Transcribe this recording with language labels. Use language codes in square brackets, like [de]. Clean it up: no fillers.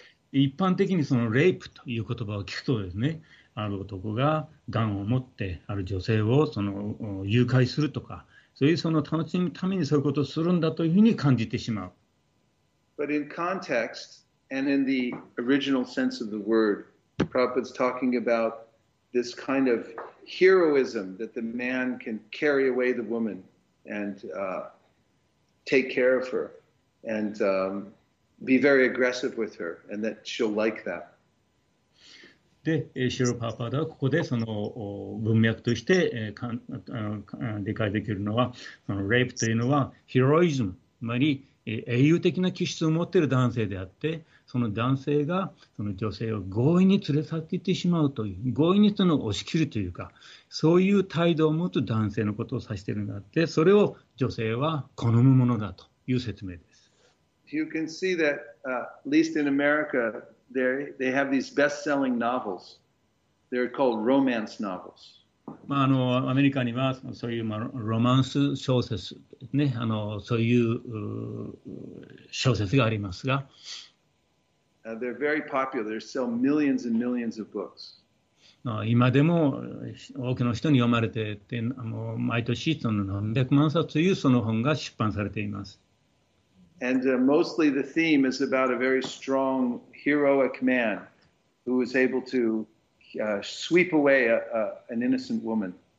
[ja] 一般的にそのレイプという言葉を聞くとですね、ある男がガンを持ってある女性をその誘拐するとか、そういうその楽しむためにそういうことをするんだというふうに感じてしまう。 [en] But in context and in the original sense of the word, Prabhupada's talking about this kind of heroism that the man can carry away the woman and take care of her and be very aggressive with her and that she'll like that. [ja] で、シロパーパーダはここでその文脈として理解できるのは、レイプというのはヒロイズム、つまり英雄的な気質を持っている男性であって、その男性がその女性を強引に連れ去っていってしまうという、強引にその押し切るというか、そういう態度を持つ男性のことを指しているんだって、それを女性は好むものだという説明です。 [en] You can see that, at least in America, they have these best-selling novels. They're called romance novels. [ja] まあ、あのアメリカにはそういう、まあ、ロマンス小説、ね、あのそういう小説がありますが、 [en] They're very popular. They sell millions and millions of books. [ja] 今でも多くの人に読まれていて、毎年その何百万冊というその本が出版されています。 [en] And mostly the theme is about a very strong, heroic man who is able to sweep away an innocent woman.